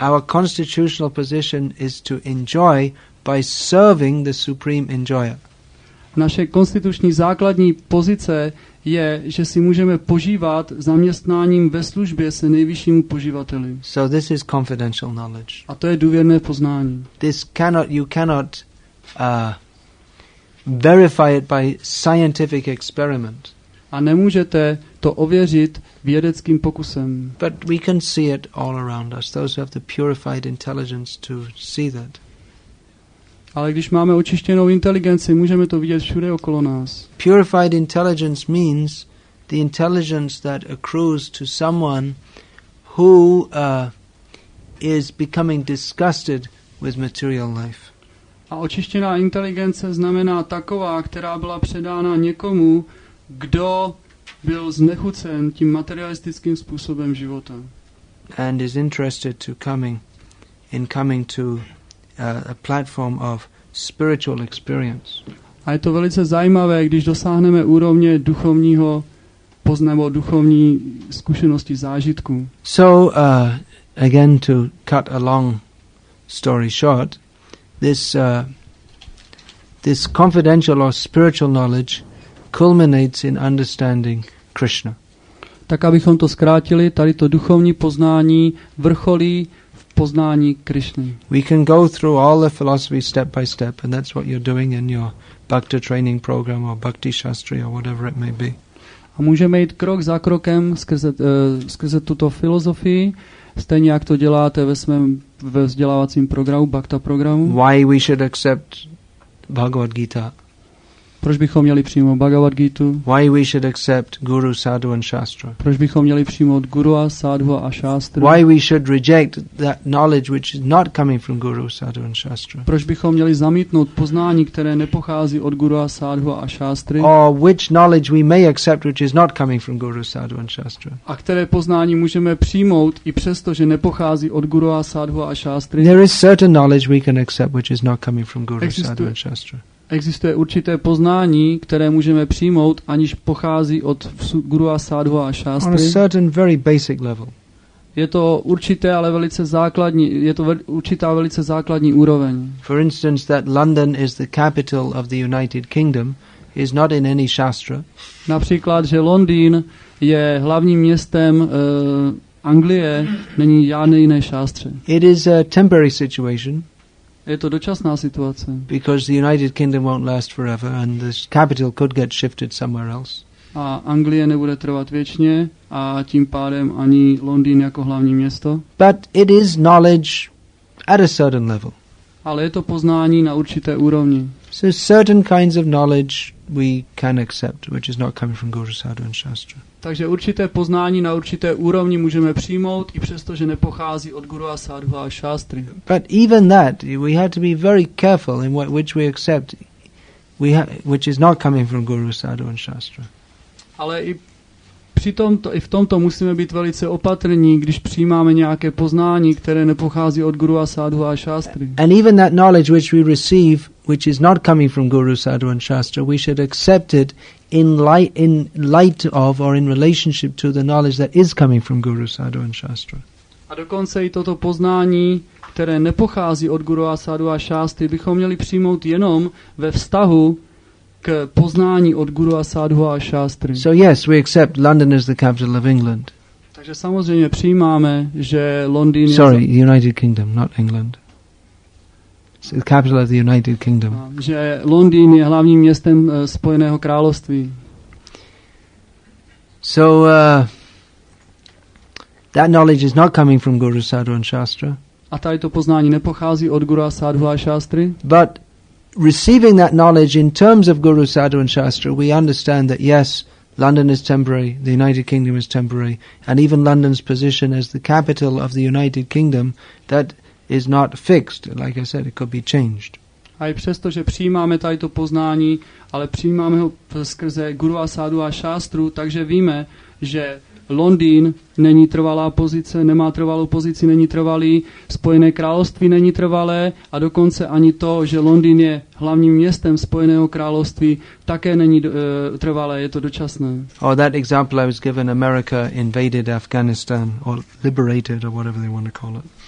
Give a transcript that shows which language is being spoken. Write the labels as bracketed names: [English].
[English] Our constitutional position is to enjoy by serving the supreme enjoyer. [Czech] Naše konstituční základní pozice je, že si můžeme požívat zaměstnáním ve službě se nejvyššímu poživateli. [English] So this is confidential knowledge. [Czech] A to je důvěrné poznání. [English] This cannot, you cannot verify it by scientific experiment. [Czech] A nemůžete to ověřit vědeckým pokusem. [English] But we can see it all around us. Those who have the purified intelligence to see that. [Czech] Ale když máme očištěnou inteligenci, můžeme to vidět všude okolo nás. [English] Purified intelligence means the intelligence that accrues to someone who is becoming disgusted with material life. [Czech] A očištěná inteligence znamená taková, která byla předána někomu, kdo byl znechucen tím materialistickým způsobem života. [English] And is interested to coming to a platform of spiritual experience. [Czech] A je to velice zajímavé, když dosáhneme úrovně duchovního poznání, duchovní zkušenosti zážitku. [English] So again to cut a long story short, this confidential or spiritual knowledge culminates in understanding Krishna. [Czech] Tak abychom to zkrátili, tady to duchovní poznání vrcholí poznání Krišny. [English] We can go through all the philosophy step by step, and that's what you're doing in your Bhakti training program or Bhakti Shastri or whatever it may be. [Czech] A můžeme jít krok za krokem skrze tuto filozofii, stejně jak to děláte ve vzdělávacím programu, Bhakta programu. [English] Why we should accept Bhagavad Gita? [Czech] Proč bychom měli přijmout Bhagavad Gītu? [English] Why we should accept Guru, Sadhu and Shastra? [Czech] Proč bychom měli přijmout Guru a Sadhu a Shastra? [English] Why we should reject that knowledge which is not coming from Guru, Sadhu and Shastra? [Czech] Proč bychom měli zamítnout poznání, které nepochází od Guru a Sadhu a Shastry? [English] Or which knowledge we may accept which is not coming from Guru, Sadhu and Shastra? [Czech] A které poznání můžeme přijmout i přesto, že nepochází od Guru a Sadhu a Shastry? [English] There is certain knowledge we can accept which is not coming from Guru, Sadhu and Shastra. [Czech] Existuje určité poznání, které můžeme přijmout, aniž pochází od Guru a Sadhu a Shastry. [English] On a certain very basic level. [Czech] Je to určité, ale velice základní, je to určitá velice základní úroveň. [English] For instance, that London is the capital of the United Kingdom is not in any Shastra. [Czech] Například, že Londýn je hlavním městem Anglie, není žádné jiné Shastře. [English] It is a temporary situation. [Czech] Je to dočasná situace. [English] Because the United Kingdom won't last forever and the capital could get shifted somewhere else. [Czech] A Anglie nebude trvat věčně a tím pádem ani Londýn jako hlavní město. [English] But it is knowledge at a certain level. [Czech] Ale je to poznání na určité úrovni. [English] So certain kinds of knowledge we can accept which is not coming from Guru, Sadhu and Shastra. [Czech] Takže určité poznání na určité úrovni můžeme přijmout i přesto, že nepochází od Guru a Sadhu a Shastry. [English] But even that we have to be very careful in what which we accept we have, which is not coming from Guru, Sadhu and Shastra. [Czech] Ale i při tomto, i v tomto musíme být velice opatrní, když přijímáme nějaké poznání, které nepochází od Guru a Sadhu a Shastry. [English] And even that knowledge which we receive which is not coming from Guru, Sadhu and Shastra, we should accept it in light of or in relationship to the knowledge that is coming from Guru, Sadhu and Shastra. [Czech] A dokonce i toto poznání, které nepochází od Guru a Sadhu a Shastry, bychom měli přijmout jenom ve vztahu k poznání od Guru a Sadhu a Shastry. [English] So yes, we accept London as the capital of England. [Czech] Takže samozřejmě přijímáme, že Londýn je... [English] Sorry, United Kingdom, not England. So the capital of the United Kingdom. [Czech] Že Londýn je hlavním městem Spojeného království. [English] So that knowledge is not coming from Guru, Sadhu and Shastra. [Czech] A tady to poznání nepochází od Guru a Sadhu a Shastry. [English] But receiving that knowledge in terms of Guru, Sadhu and Shastra, we understand that yes, London is temporary, the United Kingdom is temporary, and even London's position as the capital of the United Kingdom, that is not fixed, like I said, it could be changed. [Czech] A i přesto, že přijímáme tady to poznání, ale přijímáme ho skrze Guru a Sadhu a Shastru, takže víme, že Londýn není trvalá pozice, nemá trvalou pozici, není trvalý, Spojené království není trvalé a dokonce ani to, že Londýn je hlavním městem Spojeného království, také není trvalé, je to dočasné. [English] Or that example I was given, America invaded Afghanistan or liberated or whatever they want to call it.